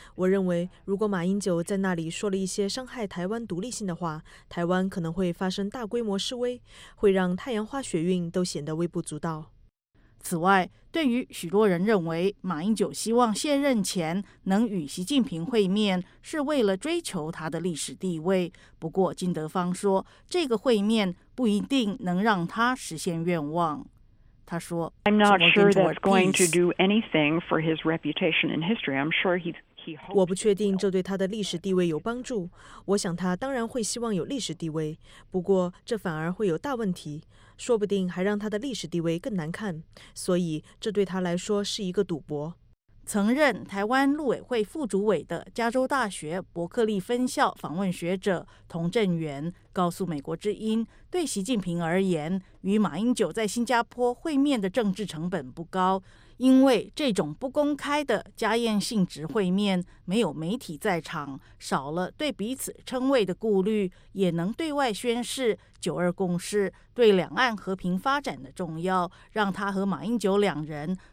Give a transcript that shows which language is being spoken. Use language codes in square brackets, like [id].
[zh] 我认为，如果马英九在那里说了一些伤害台湾独立性的话，台湾可能会发生大规模示威，会让太阳花学运都显得微不足道。此外，对于许多人认为马英九希望卸任前能与习近平会面，是为了追求他的历史地位。不过，金德芳说，这个会面不一定能让他实现愿望。他说 [en] ：“I'm not sure that's going to do anything for his reputation and history. I'm sure he's.” [zh] 我不确定这对他的历史地位有帮助，我想他当然会希望有历史地位，不过这反而会有大问题，说不定还让他的历史地位更难看，所以这对他来说是一个赌博。曾任台湾陆委会副主委的加州大学伯克利分校访问学者童振源告诉美国之音，对习近平而言，与马英九在新加坡会面的政治成本不高，因为这种不公开的家宴性质会面，没有媒体在场，少了对彼此称谓的顾虑，也能对外宣示九二共识对两岸和平发展的重要，让他和马英九两人